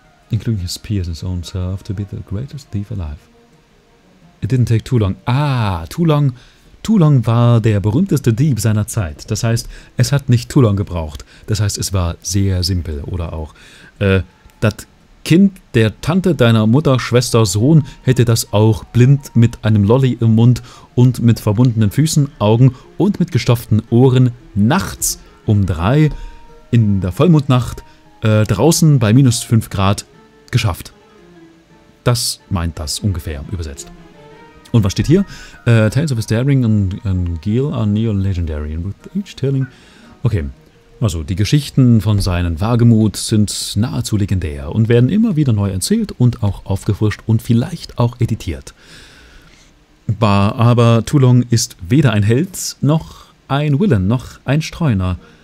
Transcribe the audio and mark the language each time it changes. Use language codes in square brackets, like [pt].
[en] Including his peers and his own self to be the greatest thief alive. It didn't take too long. Ah, too long. [de] Too long war der berühmteste Dieb seiner Zeit. Das heißt, es hat nicht too long gebraucht. Das heißt, es war sehr simpel. Oder auch, das Kind der Tante deiner Mutter, Schwester, Sohn hätte das auch blind mit einem Lolli im Mund und mit verbundenen Füßen, Augen und mit gestopften Ohren nachts um 3 in der Vollmondnacht draußen bei minus 5 Grad geschafft. Das meint das ungefähr übersetzt. Und was steht hier? [en] Tales of his daring and guile are neo legendary and with each telling. [de] Okay, also die Geschichten von seinem Wagemut sind nahezu legendär und werden immer wieder neu erzählt und auch aufgefrischt und vielleicht auch editiert. Aber Toulon ist weder ein Held noch ein Villain noch ein Streuner.